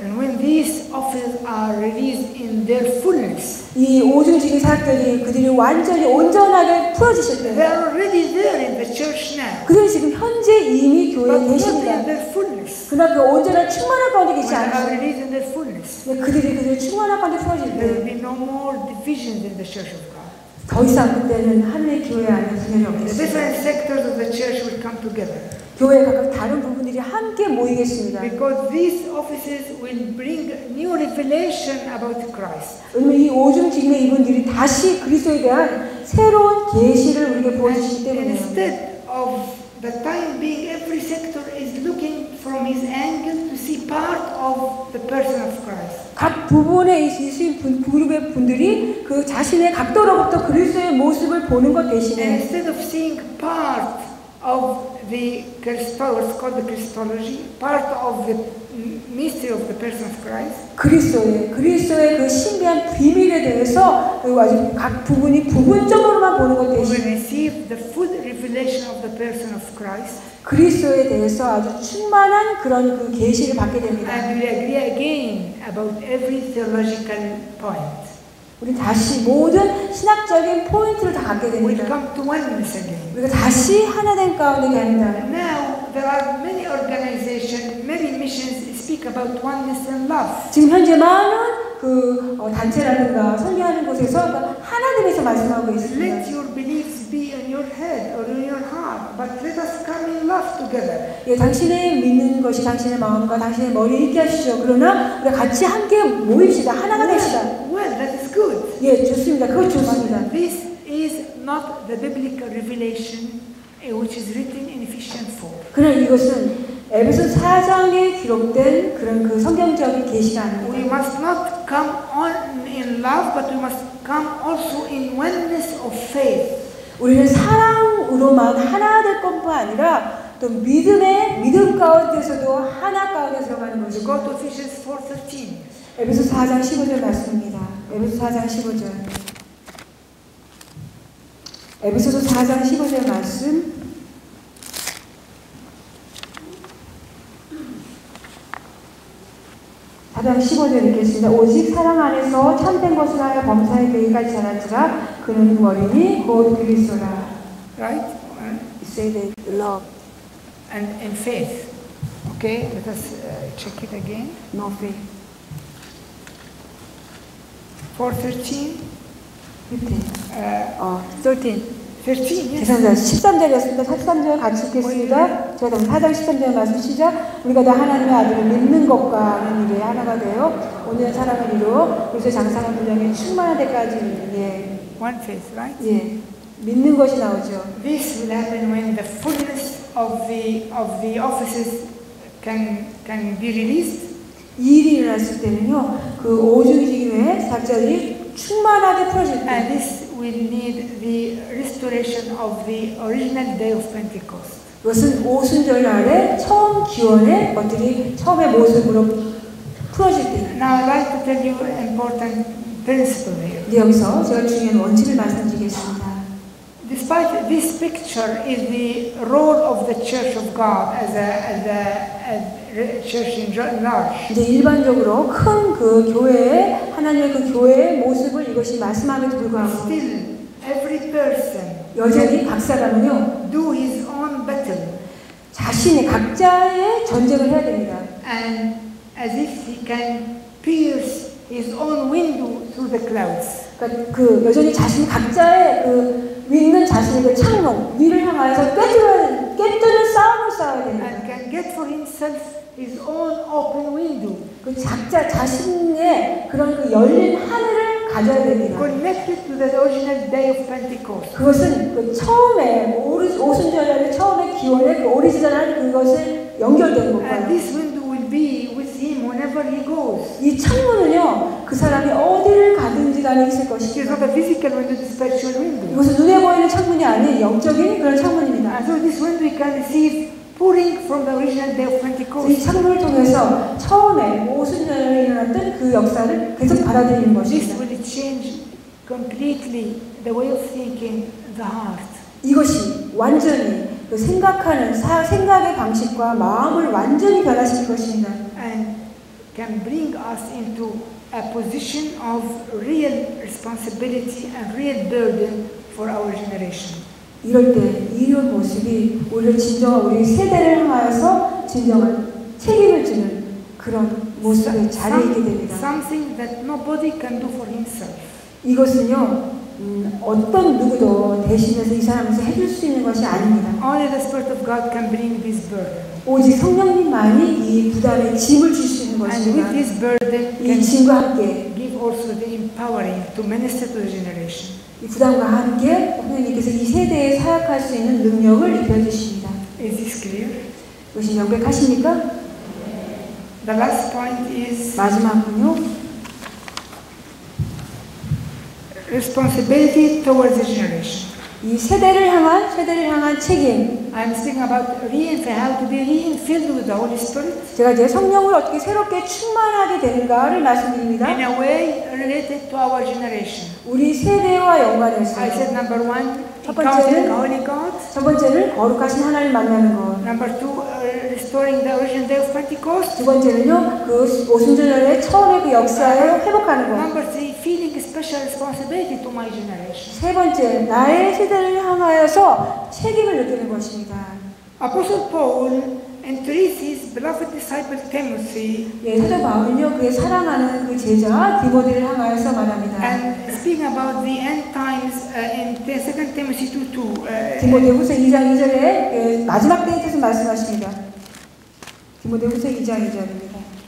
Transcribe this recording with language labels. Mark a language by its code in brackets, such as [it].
[en] And when these offices are released in their fullness, [ko] 이 오중직의 사역들이 그들이 완전히 온전하게 풀어지실 때, [en] they are already there in the church now. [ko] 그들 지금 현재 이미 교회에 [en] But [ko] 계십니다. [en] But not in their fullness. [ko] 그러나 그 온전한 충만한 가운데 계시지 않으시고, [en] they are released in their fullness. [ko] 그들이 충만한 가운데 풀어질 때, [en] there will be no more divisions in the church of God. [ko] 더 이상 그때는 하나님의 교회 안에 분열이 없겠습니다. [en] The different sectors of the church will come together. [ko] 교회가 각 다른 부분들이 함께 모이겠습니다. [en] Because these offices will bring new revelation about Christ. [ko] 이 오줌 직매 이분들이 다시 그리스도에 대한 새로운 계시를 우리에게 보여주시기 때문에. [en] Instead of the time being, every sector is looking from his angle to see part of the person of Christ. [ko] 각 부분에 있으신 그룹의 분들이 그 자신의 각도로부터 그리스도의 모습을 보는 것 대신에. [en] Instead of seeing part of the Christology, it's called the Christology, part of the mystery of the person of Christ. [ko] 그리스도의 그 신비한 비밀에 대해서 아주 각 부분이 부분적으로만 보는 것 대신에. [en] We receive the full revelation of the person of Christ. [ko] 그리스도에 대해서 아주 충만한 그런 그 계시를 받게 됩니다. [en] And we agree again about every theological point. [ko] 우리 다시 모든 신학적인 포인트를 다 갖게 됩니다. [en] We come to oneness again. [ko] 우리가 다시 하나 된 가운데 됩니다. [en] Now there are many organizations, many missions speak about oneness and love. [ko] 지금 현재 많은 그 단체라든가 설교하는 곳에서 하나님에서 말씀하고 있습니다. [en] Let your beliefs be in your head or in your heart, but let us come in love together. [ko] 예, 당신의 믿는 것이 당신의 마음과 당신의 머리 있게 하시죠. 그러나 우리 같이 함께 모이시다 하나가 되시다. [en] Well, that is good. [ko] 예, 좋습니다. 그거 좋습니다. [en] This is not the biblical revelation which is written in Ephesians 4. [ko] 그러나 이것은 에베소 4장에 기록된 그런 그 성경적인 계시가 아닙니다. [en] We must not come on in love, but we must come also in oneness of faith. [ko] 우리는 사랑으로만 하나 될 것뿐 아니라 또 믿음 가운데서도 하나 가운데 들어가는 것이. [en] Go to Ephesians 4:13. [ko] 에베소 4장 15절 말씀입니다. 에베소 4장 15절. 에베소서 4장 15절 말씀. 4장 15절 읽겠습니다. 오직 사랑 안에서 참된 것을 하여 범사에 대해까지 자랄지라 그는 머리니 곧 그리스도라. [en] Right? You say that love. And faith. Okay, let us check it again. No faith. 4:13. 13. 13. [ko] 예. 13절이었습니다. 13절 같이 읽겠습니다. 제가 4장 13절 말씀 시작. 우리가 다 하나님의 아들을 믿는 것과 하는 일에 하나가 되어 온전한 사랑을 이루어 그리스도의 장성한 분량에 충만한 데까지. 예. [en] One faith, right? [ko] 예. 믿는 것이 나오죠. [en] This will happen when the fullness of the offices can be released. [ko] 이 일이 일어났을 때는요, 그 오중직임의 사절이 충만하게 풀어질 때. [en] And this will need the restoration of the original day of Pentecost. [ko] 이것은 오순절날의 처음 기원의 것들이 처음의 모습으로 풀어질 때. [en] Now I'd like to tell you an important principle here. [ko] 네, 여기서 제가 중요한 원칙을 말씀드리겠습니다. [en] Despite this picture is the role of the Church of God as a church in large. [ko] 이제 일반적으로 큰 그 교회의 하나님의 그 교회의 모습을 이것이 말씀함에도 불구하고. [en] Still, every person. [ko] 여전히 각 사람은요. [en] Do his own battle. [ko] 자신이 각자의 전쟁을 해야 됩니다. [en] And as if he can pierce his own window through the clouds. [ko] 그 여전히 자신 각자의 그 믿는 자신의 그 창문 위를 향하여서 깨뜨려 싸움을 싸워야 됩니다. [en] And can get for himself his own open window. [ko] 그 각자 자신의 그런 그 열린 하늘을 가져야 됩니다. [en] Connected to the original day of Pentecost. [ko] 그것은 그 처음에 오순절날의 처음에 기원의 그 오리지널한 그것을 연결된 것과. [en] And this window will be with him whenever he goes. [ko] 이 창문은요. 그 사람이 어디를 가든지 간에 있을 것입니다. [en] Physical window, spiritual window. [ko] 이것은 눈에 보이는 창문이 아닌 영적인 그런 창문입니다. [en] And so this window we can receive pouring from the original day of Pentecost. [ko] 이 창문을 통해서 처음에 오순절에 일어났던 그 역사를 계속 받아들이는 것입니다. [en] This will change completely the way of thinking, the heart. [ko] 이것이 완전히 그 생각하는 생각의 방식과 마음을 완전히 변화시킬 것입니다. [en] And can bring us into a position of real responsibility and real burden for our generation. [ko] 이럴 때 이런 모습이 우리를 진정한 우리 세대를 향하여서 진정한 책임을 지는 그런 모습의 자리이게 됩니다. [en] Something that nobody can do for himself. [ko] 이것은요 어떤 누구도 대신해서 이 사람에게 해줄 수 있는 것이 아닙니다. [en] Only the Spirit of God can bring this burden. [ko] 오직 성령님만이 이 부담의 짐을 줄 수 있는 것입니다. [en] And with this burden, [ko] 이 짐과 함께 [en] give also the empowering to minister to the generation. [ko] 이 부담과 함께 성령님께서 이 세대에 사역할 수 있는 능력을 입혀 주십니다. [en] Is this clear? [ko] 이것이 명백하십니까? [en] The last point is [ko] 마지막은요. [en] Responsibility towards the generation. [ko] 이 세대를 향한 책임. [en] I'm speaking about how to be re-filled with the Holy Spirit. [ko] 제가 이제 성령을 어떻게 새롭게 충만하게 되는가를 말씀드립니다. [en] In a way related to our generation. [ko] 우리 세대와 연관해서. [en] I said number one. [ko] 첫 번째는 거룩하신 하나님 만나는 것. [en] Number two, restoring the origin day of Pentecost. [ko] 두 번째는요, 그 오순절날의 처음의 그 역사에 회복하는 것. [en] Number three, feeling special responsibility to my generation. [ko] 세 번째, 나의 세대를 향하여서 책임을 느끼는 것입니다. [en] Apostle Paul entreats his beloved disciple Timothy. [ko] 예, 사도 바울은요, 그의 사랑하는 그 제자 디모데를 향하여서 말합니다. [en] And speaking about the end times in 2 Timothy 2:2. [ko] 디모데후서 2장 2절에 그 마지막 때에 대해서 말씀하십니다. 디모데후서 2장 2절입니다.